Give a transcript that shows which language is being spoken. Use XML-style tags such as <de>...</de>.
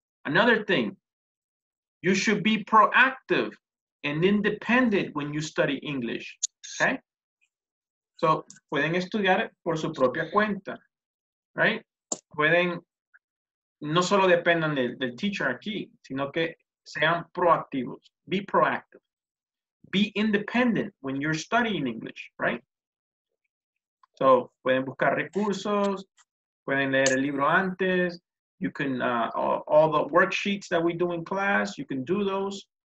<en>Another thing, you should be proactive and independent when you study English. Okay?</en> <es>So, pueden estudiar por su propia cuenta, right? Pueden, no solo dependan del teacher aquí, sino que sean proactivos.</es> <en>Be proactive. Be independent when you're studying English, right?</en> <es>So, pueden buscar recursos, pueden leer el libro antes.</es> <en>You can, all the worksheets that we do in class, you can do those.</en>